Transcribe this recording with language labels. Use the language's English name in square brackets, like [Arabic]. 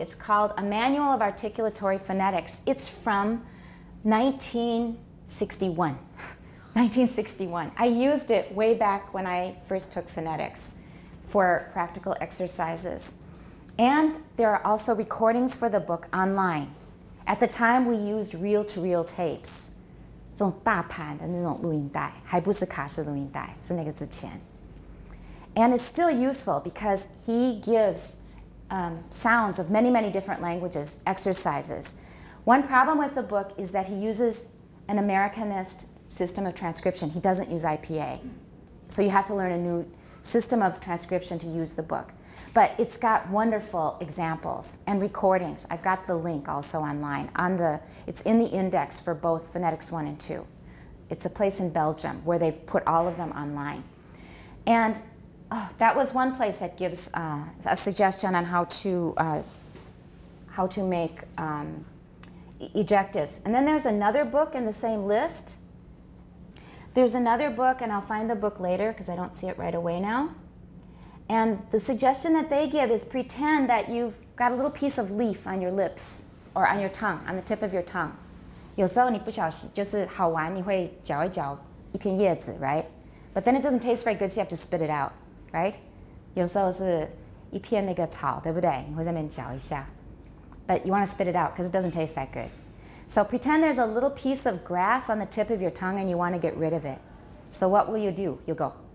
[English] It's called A Manual of Articulatory Phonetics. It's from 1961. I used it way back when I first took phonetics for practical exercises. And there are also recordings for the book online. At the time, we used reel-to-reel tapes. [Chinese] 这种大盘的那种录音带，还不是卡式录音带，是那个之前。 [English] And it's still useful because he gives sounds of many, many different languages, exercises. One problem with the book is that he uses an Americanist system of transcription. He doesn't use IPA. So you have to learn a new system of transcription to use the book. But it's got wonderful examples and recordings. I've got the link also online. It's in the index for both Phonetics 1 and 2. It's a place in Belgium where they've put all of them online. And that was one place that gives a suggestion on how to make ejectives. And then there's another book in the same list. There's another book, and I'll find the book later because I don't see it right away now. And the suggestion that they give is pretend that you've got a little piece of leaf on your lips or on your tongue, on the tip of your tongue. [Chinese] 有时候你不小心就是好玩你会嚼一嚼一片叶子 [English] right? But then it doesn't taste very good so you have to spit it out, right? [Chinese] 有时候是一片那个草对不对你会在那边嚼一下 [English] But you want to spit it out because it doesn't taste that good. So pretend there's a little piece of grass on the tip of your tongue and you want to get rid of it. So what will you do? You'll go.